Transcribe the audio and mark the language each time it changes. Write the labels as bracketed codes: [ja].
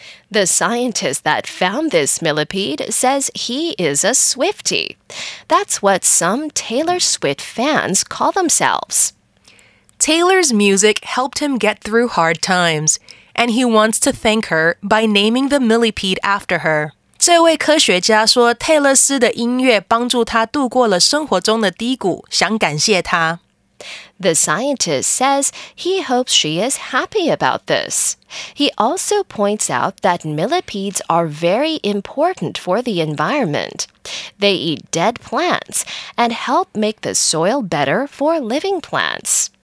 [en] The scientist that found this millipede says he is a Swiftie. That's what some Taylor Swift fans call themselves. Taylor's music helped him get through hard times, and he wants to thank her by naming the millipede after her. [zh] 这位科学家说，泰勒斯的音乐帮助他度过了生活中的低谷，想感谢他。 [en] The scientist says he hopes she is happy about this. He also points out that millipedes are very important for the environment. They eat dead plants and help make the soil better for living plants.